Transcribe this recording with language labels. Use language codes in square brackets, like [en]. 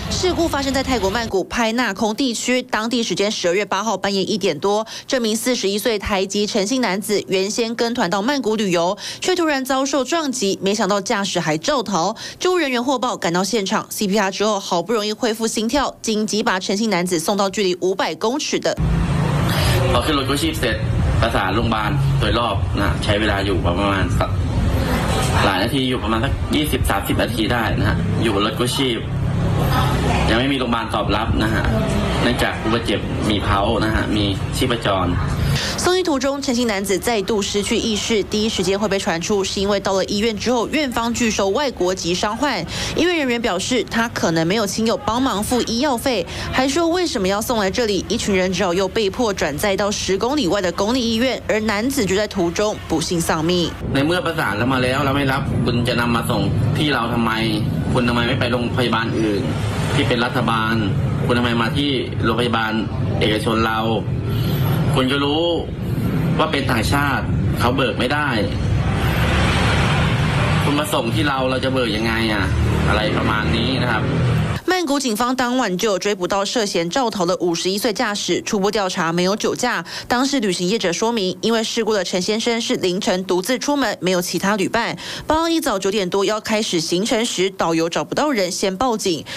[zh] 事故发生在泰国曼谷派纳空地区，当地时间12月8号半夜1点多，这名41岁台籍陈姓男子原先跟团到曼谷旅游，却突然遭受撞击，没想到驾驶还肇逃。救护人员获报赶到现场 ，CPR 之后好不容易恢复心跳，紧急把陈姓男子送到距离500公尺的。 [th] พอขึ้นรถกู้ชีพเสร็จประสานโรงพยาบาลโดยรอบนะใช้เวลาอยู่ประมาณสักหลายนาทีอยู่ประมาณสัก20-30 นาทีได้นะฮะอยู่รถกู้ชีพยังไม่มีโรงพยาบาลตอบรับนะฮะเนื่องจากอุบัติเหตุมีเผานะฮะมีชีพจร [zh] 送医途中，陈姓男子再度失去意识。第一时间会被传出是因为到了医院之后，院方拒收外国籍伤患。医院人员表示，他可能没有亲友帮忙付医药费，还说为什么要送来这里。一群人只好又被迫转载到10公里外的公立医院，而男子就在途中不幸丧命。 [th] ในเมื่อประสานแล้วมาแล้วเราไม่รับคุณจะนำมาส่งที่เราทำไมคุณทำไมไม่ไปโรงพยาบาลอื่นที่เป็นรัฐบาลคุณทำไมมาที่โรงพยาบาลเอกชนเราคุณจะรู้ว่าเป็นต่างชาติเขาเบิกไม่ได้คุณมาส่งที่เราจะเบิกยังไงอ่ะอะไรประมาณนี้นะครับ [zh] 曼谷警方当晚就追捕到涉嫌肇逃的51岁驾驶，初步调查没有酒驾。当时旅行业者说明，因为事故的陈先生是凌晨独自出门，没有其他旅伴。八号一早9点多要开始行程时，导游找不到人，先报警。